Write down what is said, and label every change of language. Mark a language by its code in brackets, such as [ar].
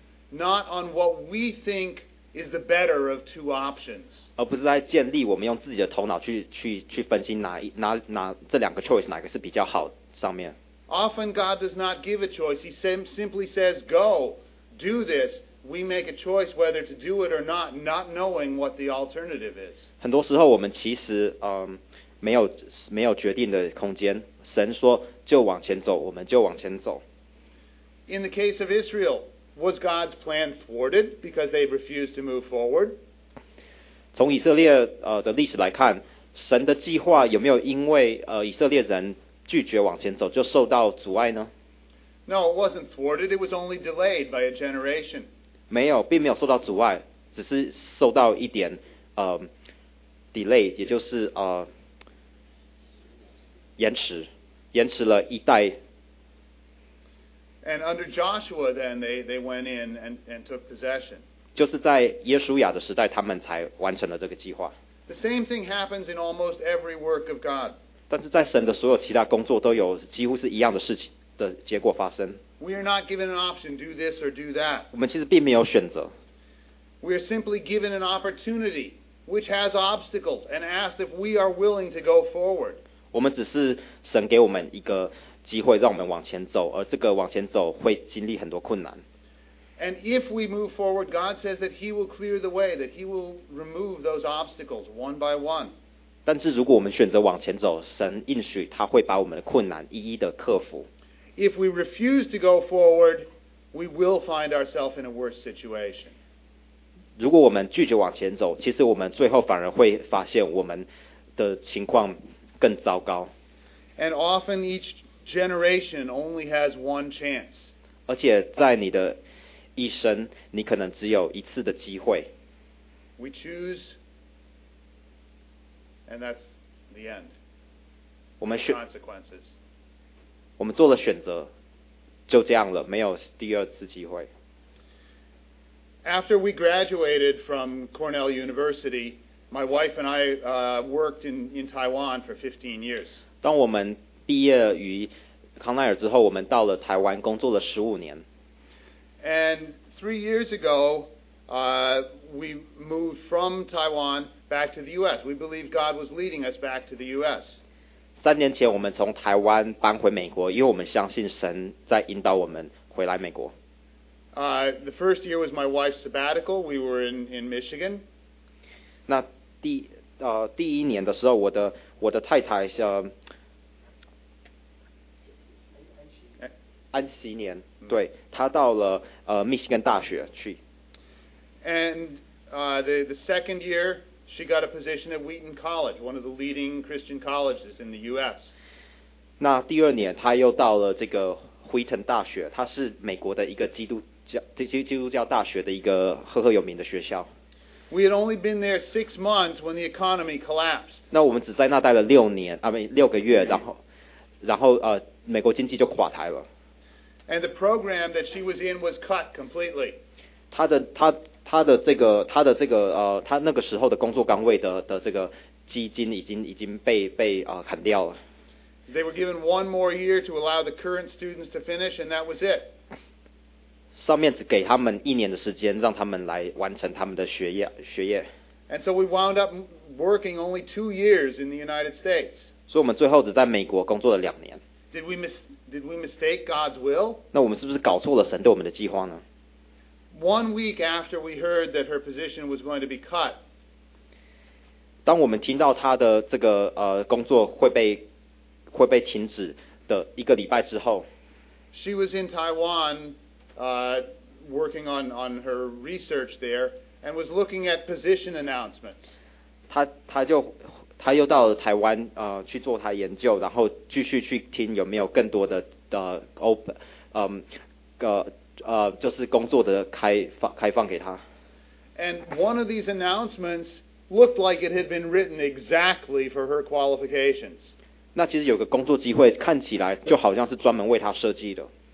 [en] Not on what we think is the better of two options. [zh] 而不是在建立我们用自己的头脑 去分析哪这两个 choice 哪个是比较好上面。 [en] Often God does not give a choice. He simply says, go, do this. We make a choice whether to do it or not, not knowing what the alternative is. [zh] 很多时候我们其实没有决定的空间。神说就往前走，我们就往前走。 [en] In the case of Israel,Was God's plan thwarted because they refused to move forward? [zh] 从以色列的历史来看，神的计划有没有因为以色列人拒绝往前走就受到阻碍呢？ [en] No, it wasn't thwarted. It was only delayed by a generation. [zh] 没有，并没有受到阻碍，只是受到一点delay， 也就是延迟了一代。 [en] And under Joshua, then they went in and took possession. [zh] 就是在耶稣亚的时代，他们才完成了这个计划。 [en] The same thing happens in almost every work of God. [zh] 但是在神的所有其他工作都有几乎是一样的事情的结果发生。 [en] We are not given an option, do this or do that. [zh] 我们其实并没有选择。 [en] We are simply given an opportunity which has obstacles and asked if we are willing to go forward. [zh] 我们只是神给我们一个。机会让我们往前走，而这个往前走会经历很多困难。 [en] And if we move forward, God says that He will clear the way, that He will remove those obstacles one by one. [zh] 但是如果我们选择往前走，神应许他会把我们的困难一一的克服。 [en] If we refuse to go forward, we will find ourselves in a worse situation. [zh] 如果我们拒绝往前走，其实我们最后反而会发现我们的情况更糟糕。 [en] And often each generation only has one chance. [zh] 而且在你的一生，你可能只有一次的机会。 [en] We choose, and that's the end. [zh] 我们选 [en] consequences. [zh] 我们做了选择，就这样了，没有第二次机会。 [en] After we graduated from Cornell University, my wife and I worked in Taiwan for 15 years. [zh] 当我们毕业于康奈尔之后，我们到了台湾工作了十五年。 [en] And 3 years ago, we moved from Taiwan back to the U.S. We believe God was leading us back to the U.S. [zh] 三年前，我们从台湾搬回美国，因为我们相信神在引导我们回来美国。 [en] The first year was my wife's sabbatical. We were in Michigan. [zh] 那第一年的时候，我的太太安息年，对，他到了密西根大学去。 [en] And the second year, she got a position at Wheaton College, one of the leading Christian colleges in the U.S. [zh] 那第二年他又到了这个辉腾大学，他是美国的一个基督教大学的一个赫赫有名的学校。 [en] We had only been there 6 months when the economy collapsed. [zh] 那我们只在那待了六个月，然后美国经济就垮台了。 [en] And the program that she was in was cut completely. [zh] 他那个时候的工作岗位的这个基金已经被砍掉了。 [en] They were given one more year to allow the current students to finish, and that was it. [zh] 上面只给他们一年的时间，让他们来完成他们的学业。 [en] And so we wound up working only 2 years in the United States. [zh] 所以我们最后只在美国工作了两年。 [en] Did we mistake God's will? [zh] 那我们是不是搞错了神对我们的计划呢 [en] ？1 week after we heard that her position was going to be cut. [zh] 当我们听到她的这个工作会被停止的一个礼拜之后 [en] ，She was in Taiwan. Working on her research there, and was looking at position announcements. [zh] 他又到了台湾去做他研究，然后继续去听有没有更多的就是工作的开放给他。 [en] And one of these announcements looked like it had been written exactly for her qualifications. [zh] 那其实有个工作机会看起来就好像是专门为他设计的。